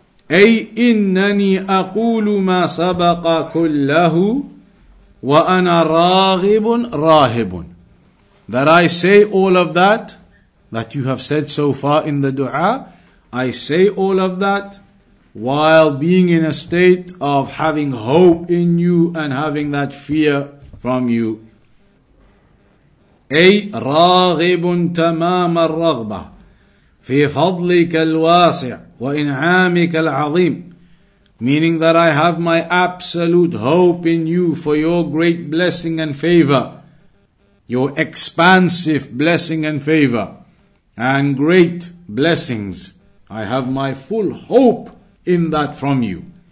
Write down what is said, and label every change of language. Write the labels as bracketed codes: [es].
[ar] أَيْ إِنَّنِي أَقُولُ مَا سَبَقَ كُلَّهُ وَأَنَا رَاغِبٌ رَاهِبٌ. [en] That I say all of that you have said so far in the dua, I say all of that while being in a state of having hope in you and having that fear from you. [ar] أي راغب تمام الرغبة في فضلك الواسع وإنعامك العظيم. [en] Meaning that I have my absolute hope in you for your great blessing and favor. Your expansive blessing and favor and great blessings. I have my full hope in that from you.